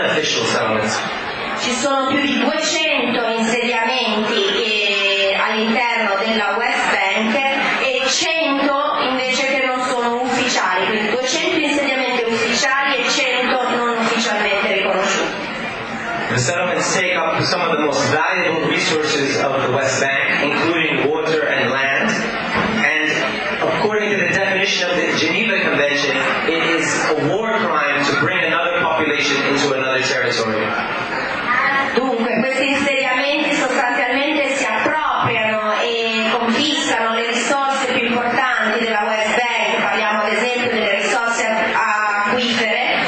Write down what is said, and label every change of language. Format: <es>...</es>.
<it>Ci sono più di 200 insediamenti all'interno della West Bank e 100 invece che non sono ufficiali, quindi 200 insediamenti ufficiali e 100 non ufficialmente riconosciuti.</it> <en>The settlements take up some of the most valuable resources of the West Bank, including water and land, and according to the definition of the Geneva Convention, it is a war crime to bring another population into another territory.</en> <it>Dunque, questi insediamenti sostanzialmente si appropriano e confiscano le risorse più importanti della West Bank, parliamo ad esempio delle risorse acquifere,</it>